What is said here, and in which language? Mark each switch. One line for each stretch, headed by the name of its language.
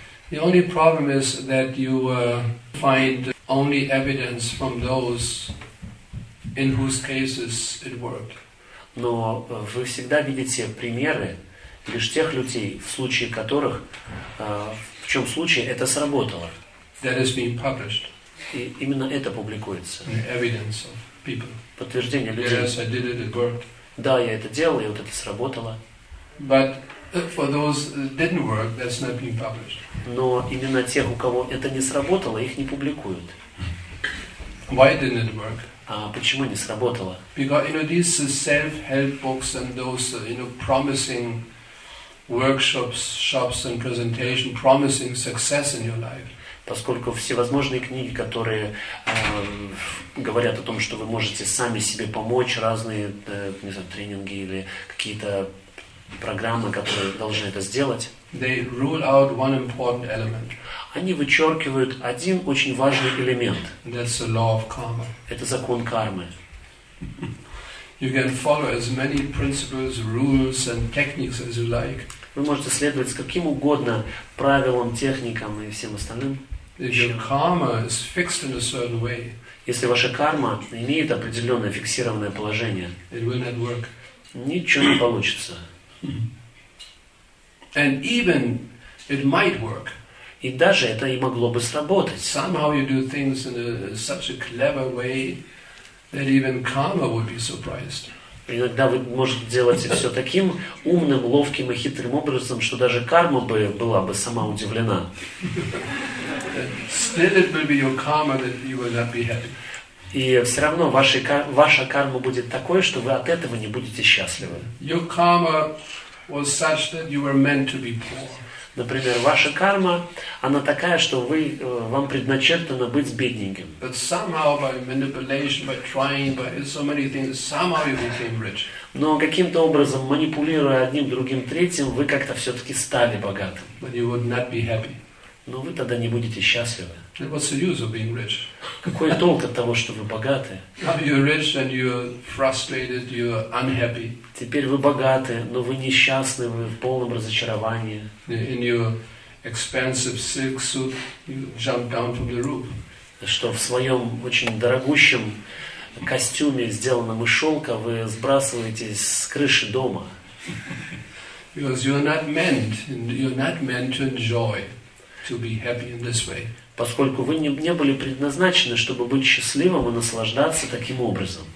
English: The only problem is that you find only evidence from those in whose cases it worked.
Russian: Но вы всегда видите примеры лишь тех людей, в случае которых, в чем случае это сработало.
English: That is being published.
Russian: И именно это публикуется.
English: The evidence of people.
Russian: Подтверждение людей.
English: Yes, I did it, it worked.
Russian: Да, я это делал, и вот это сработало.
English: But for those that didn't work, that's not being published.
Russian: Но именно тех, у кого это не сработало, их не публикуют.
English: Why didn't it work?
Russian: А почему не сработало?
English: Because, you know, these self-help books and those, you know, promising workshops, shops and presentation, promising success in your life.
Russian: Поскольку всевозможные книги, которые говорят о том, что вы можете сами себе помочь, разные не знаю, тренинги или какие-то программы, которые должны это сделать,
English: they rule out one important element.
Russian: Они вычеркивают один очень важный элемент.
English: That's the law of karma.
Russian: Это закон кармы.
English: You can follow as many principles, rules and techniques as you like.
Russian: Вы можете следовать с каким угодно правилам, техникам и всем остальным.
English: Your karma is fixed in a certain way.
Russian: Если ваша карма имеет определенное фиксированное положение,
English: it will not work.
Russian: Ничего не получится.
English: And even it might work.
Russian: И даже это и могло бы сработать.
English: Somehow you do things in such a clever way that even karma would be surprised.
Russian: Иногда вы можете делать все таким умным, ловким и хитрым образом, что даже карма бы была бы сама удивлена.
English: Still it will be your karma that you will not be happy.
Russian: И все равно ваша карма будет такой, что вы от этого не будете счастливы.
English: Your karma was such that you were meant to be poor.
Russian: Например, ваша карма, она такая, что вам предначертано быть бедненьким.
English: But somehow by manipulation, by trying, by so many things, somehow you became rich.
Russian: Но каким-то образом, манипулируя одним, другим, третьим, вы как-то все-таки стали богатым.
English: But you would not be happy.
Russian: Но вы тогда не будете счастливы.
English: What's the use of being rich?
Russian: Какой толк от того, что вы богаты?
English: Now you're rich and you're frustrated, you're unhappy.
Russian: Теперь вы богаты, но вы несчастны, вы в полном разочаровании.
English: In your expensive silk suit, you jump down from the roof.
Russian: Что в своем очень дорогущем костюме, сделанном из шелка, вы сбрасываетесь с крыши дома.
English: Because you're not meant to enjoy. To be happy in this way.
Russian: Поскольку вы не были предназначены, чтобы быть счастливым и наслаждаться таким образом.